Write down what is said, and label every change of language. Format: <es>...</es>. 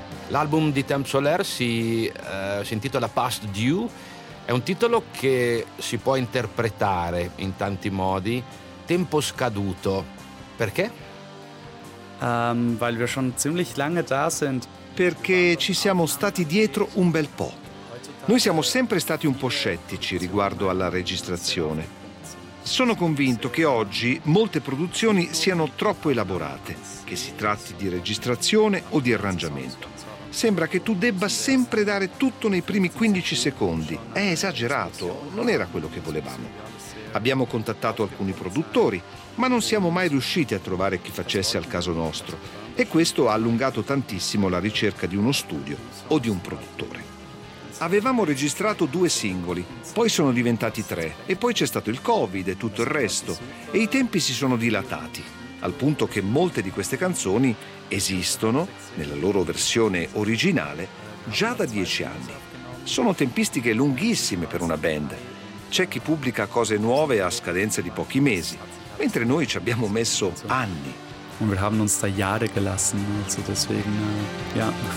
<it>L'album di Temple Solaire si intitola Past Due, è un titolo che si può interpretare in tanti modi, tempo scaduto. Perché?</it> <de>Weil wir schon ziemlich lange da sind.</de> <it>Perché ci siamo stati dietro un bel po'. Noi siamo sempre stati un po' scettici riguardo alla registrazione. Sono convinto che oggi molte produzioni siano troppo elaborate, che si tratti di registrazione o di arrangiamento. Sembra che tu debba sempre dare tutto nei primi 15 secondi. È esagerato, non era quello che volevamo. Abbiamo contattato alcuni produttori, ma non siamo mai riusciti a trovare chi facesse al caso nostro. E questo ha allungato tantissimo la ricerca di uno studio o di un produttore. Avevamo registrato 2 singoli, poi sono diventati 3, e poi c'è stato il Covid e tutto il resto, e i tempi si sono dilatati. Al punto che molte di queste canzoni esistono, nella loro versione originale, già da 10 anni. Sono tempistiche lunghissime per una band. C'è chi pubblica cose nuove a scadenza di pochi mesi, mentre noi ci abbiamo messo anni.</it> <de>Und wir haben uns da Jahre gelassen, also deswegen, ja.</de>